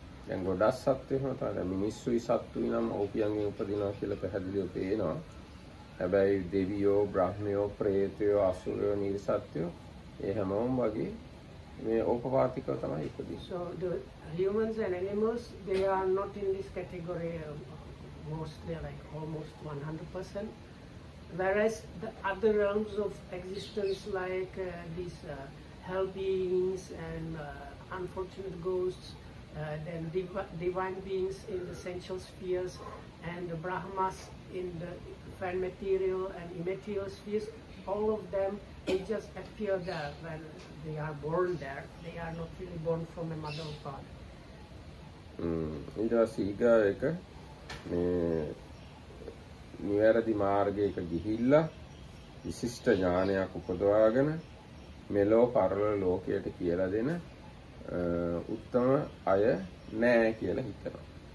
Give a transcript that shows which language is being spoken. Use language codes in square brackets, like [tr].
[si] And ගොඩක් සත්ත්වයන් තමයි මිනිස්සු සත්ත්වයන් නම් ඕපියන්ගෙන් උපදිනවා කියලා පැහැදිලිව පේනවා. හැබැයි දෙවියෝ, බ්‍රහ්මයෝ, ප්‍රේතයෝ, අසුරයෝ, නිර්සත්වයෝ ඒ හැමෝම වගේ මේ ඕපපාතිකව තමයි උපදින්නේ. [en] So the humans and animals they are not in this category mostly like almost 100%. Whereas the other realms of existence like these hell beings and unfortunate ghosts, then divine beings in the sensual spheres and the brahmas in the fine material and immaterial spheres, all of them they just appear there when they are born there. They are not really born from a mother or father. [si] ඊටසේ ඊගාවෙක මේ නිවැරදි මාර්ගයක ගිහිල්ලා විශිෂ්ට ඥානයක් උපදවාගෙන මෙලෝ පරලෝ ලෝකයට කියලා දෙන උත්තම අය නෑ කියලා හිතනවා.